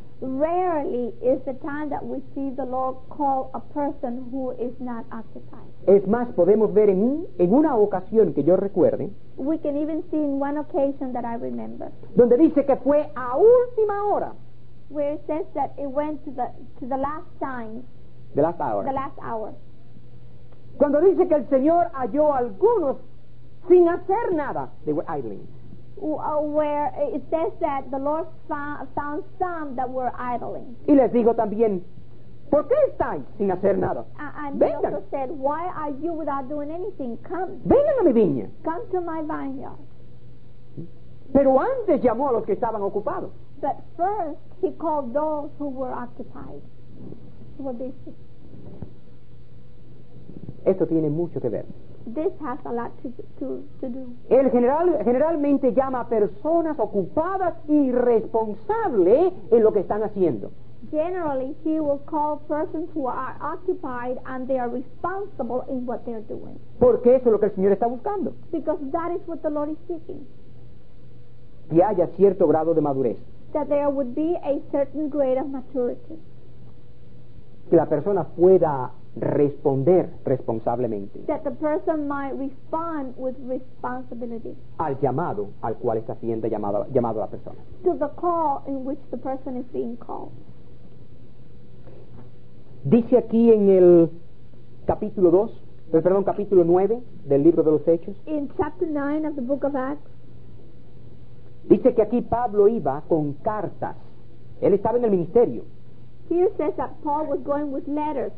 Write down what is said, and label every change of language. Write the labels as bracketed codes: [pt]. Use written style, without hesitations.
[en] Rarely is the time that we see the Lord call a person who is not occupied. [es] Es más, podemos ver en una ocasión que yo recuerde. [en] We can even see in one occasion that I remember. [es] Donde dice que fue a última hora. [en] Where it says that it went to the last time. The last hour. The last hour. [es] Cuando dice que el Señor halló algunos sin hacer nada. [en] They were idling. Where it says that the Lord found some that were idling. [es] Y les digo también, ¿por qué estáis sin hacer nada? [en] And he also said, why are you without doing anything? Come. [es] Vengan a mi viña. [en] Come to my vineyard. [es] Pero antes llamó a los que estaban ocupados. [en] But first he called those who were occupied, who were busy. [es] Esto tiene mucho que ver. [en] This has a lot to do. [es] El generalmente llama a personas ocupadas y responsables en lo que están haciendo. [en] Generally, he will call persons who are occupied and they are responsible in what they are doing. [es] Porque eso es lo que el Señor está buscando. [en] Because that is what the Lord is seeking. [es] Que haya cierto grado de madurez. [en] That there would be a certain grade of maturity. [es] Que la persona pueda responder responsablemente. [en] That the person might respond with responsibility. [es] Al llamado al cual está siendo llamado la persona. [en] To the call in which the person is being called. [es] Dice aquí en el capítulo 9 del libro de los Hechos. [en] In chapter 9 of the book of Acts. [es] Dice que aquí Pablo iba con cartas. Él estaba en el ministerio. [en] Here says that Paul was going with letters.